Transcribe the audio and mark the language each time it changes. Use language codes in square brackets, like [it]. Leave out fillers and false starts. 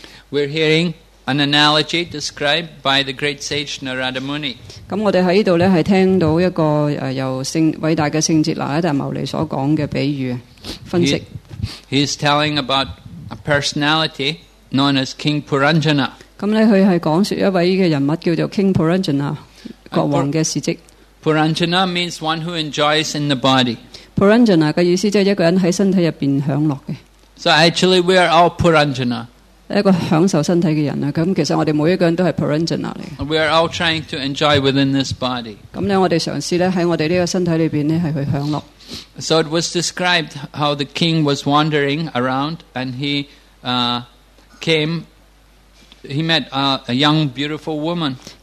[en] We're hearing an analogy described by the great sage Narada Muni. [zh] 我们在这里听到一个由伟大的圣哲那达牟尼所讲的比喻分析。 [en] He's telling about a personality known as King Puranjana. [zh] 他是讲述一位人物叫做King Puranjana, 国王的事迹。 [en] Puranjana means one who enjoys in the body. [zh] Puranjana的意思就是一个人在身体里享乐。 [en] So actually we are all Puranjana. [zh] 一个享受身体的人，其实我们每一个人都是Puranjana。 [en] We are all trying to enjoy within this body. [zh] 我们尝试在我们这个身体里面去享乐。 [en] So it was described how the king was wandering around and he met a young, beautiful woman.